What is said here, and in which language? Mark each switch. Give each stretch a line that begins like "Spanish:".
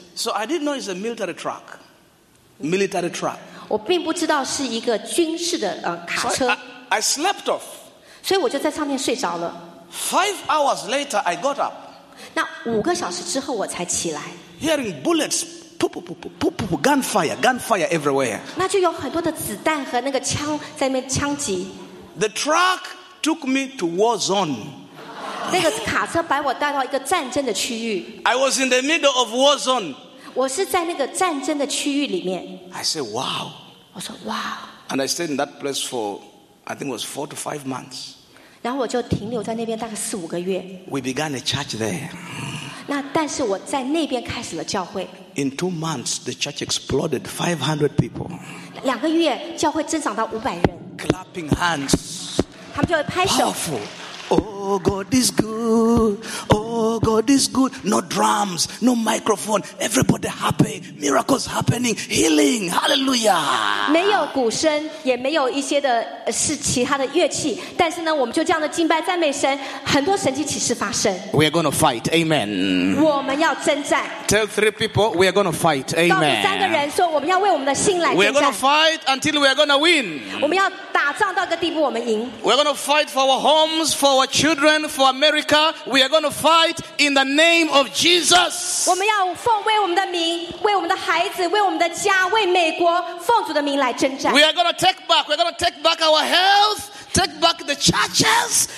English: So I didn't know it's a military truck. Military truck.
Chinese: 我并不知道是一个军事的卡车。
English: So I slept off.
Chinese: 所以我就在上面睡着了。
English: 5 hours later, I got up.
Chinese: 那5个小时之后我才起来。
English: Hearing bullets. Gunfire everywhere.
Chinese: 那就有很多的子弹和那个枪在那边枪击。
English: The truck took me to war zone.
Chinese: 那个卡车把我带到一个战争的区域。
English: I was in the middle of war zone.
Chinese: 我是在那个战争的区域里面。
English: I said, wow.
Chinese: 我说wow.
English: And I stayed in that place for, I think it was 4 to 5 months.
Chinese: 然后我就停留在那边大概4-5个月。
English: We began a church there.
Chinese: 那但是我在那边开始了教会。
English: In 2 months, the church exploded 500 people.
Chinese: 2个月, 教会增长到500人,
English: clapping hands.
Chinese: 他们就会拍手,
English: powerful. Oh, God is good. Oh, God is good. No drums, no microphone. Everybody happy. Miracles happening. Healing. Hallelujah.
Chinese: 没有鼓声, 也没有一些的是其他的乐器, 但是呢, 我们就这样的敬拜赞美神, 很多神迹启示发生。
English: We are going to fight. Amen.
Chinese: 我们要征战。
English: Tell 3 people we are going to fight. Amen.
Chinese: 告诉3个人说我们要为我们的信来征战。
English: We are going to fight until we are going to win.
Chinese: 我们要打仗到一个地步,
English: we are going to fight for our homes, for our children, for America. We are going to fight in the name of Jesus.
Chinese: 我们要奉为我们的名, 为我们的孩子, 为我们的家, 为美国, 奉主的名来征战。
English: We are going to take back. We are going to take back our health. Take back the churches.